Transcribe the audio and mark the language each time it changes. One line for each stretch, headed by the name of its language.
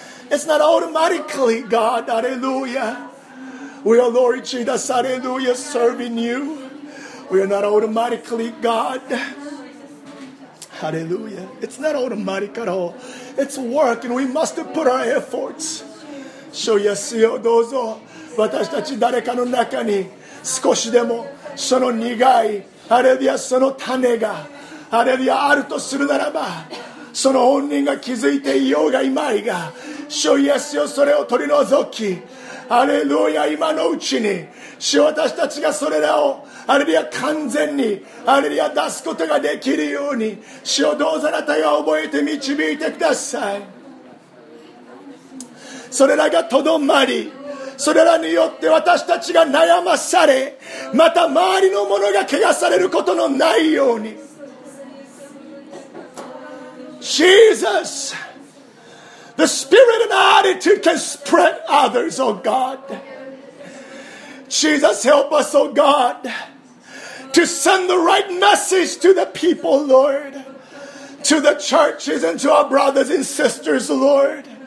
English: It's not automatically, God, hallelujah. We are, Lord Jesus, hallelujah, serving you. We are not automatically, God. Hallelujah. It's not automatic at all. It's work, and we must put our efforts. So, yes, yo, dozo.
Japanese: 私たち誰かの中に少しでもその苦い、ハレルヤ、その種が、ハレルヤ、あるとするならば、その本人が気づいていようがいまいが、主イエスよ、それを取り除き、ハレルヤ、今のうちに、主、私たちがそれらを、ハレルヤ、完全に、ハレルヤ、出すことができるように、主をどうぞあなたが覚えて導いてください。それらがとどまり、それらによって私たちが悩まされ、また周りの者が汚されることのないように。
English: Jesus, the spirit and attitude can spread others, oh God. Jesus, help us, oh God, to send the right message to the people, Lord, to the churches and to our brothers and sisters, Lord.